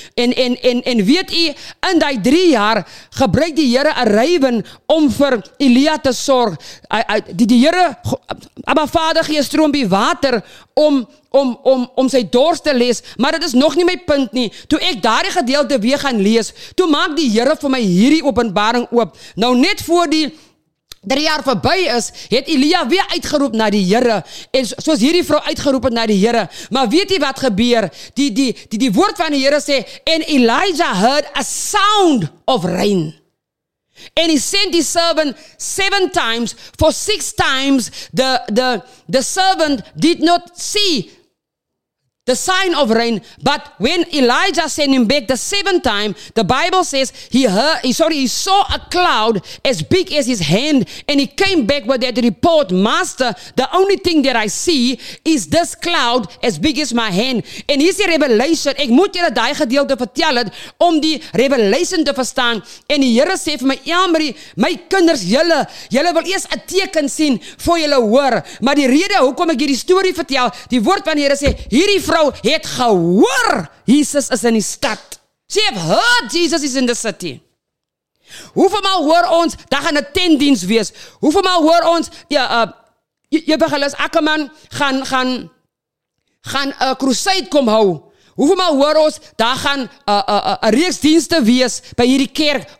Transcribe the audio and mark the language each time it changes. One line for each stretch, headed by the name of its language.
Afrikaans: En weet jy, in die 3 jaar gebruik die Here 'n rywen om vir Elia te sorg. Die Here, Abba Vader, gee stroompie water om sy dors te les, maar dit is nog nie my punt nie. Toe ek daardie gedeelte weer gaan lees, toe maak die Here vir my hierdie openbaring oop. Nou net voor die 3 jaar verby is, het Elia weer uitgeroep na die Here, en soos hierdie vrou uitgeroep het na die Here. Maar weet jy wat gebeur? Die woord van die Here sê,
English: and Elijah heard a sound of rain. And he sent his servant 7 times. For 6 times, the servant did not see the sign of rain. But when Elijah sent him back the 7th time, the Bible says he saw a cloud as big as his hand. And he came back with that report, Master, the only thing that I see is this cloud as big as my hand. And here's the revelation.
Afrikaans: Ek moet julle daai gedeelte vertel het, om die revelation te verstaan. En die Here sê vir my, Elmarie, my kinders, julle wil eers 'n teken sien voor julle hoor. Maar die rede hoekom ek hierdie story vertel, die woord van die Here sê, hierdie vrou het gehoor Jesus is in die stad.
English: She have heard Jesus is in the city.
Afrikaans: Hoeveel maal hoor ons, dat gaan 'n tentdiens wees. Hoeveel maal hoor ons, Evangelist Ackerman gaan 'n crusade kom hou. Hoeveel maal hoor ons, dat gaan 'n reeks dienste wees by hierdie kerk.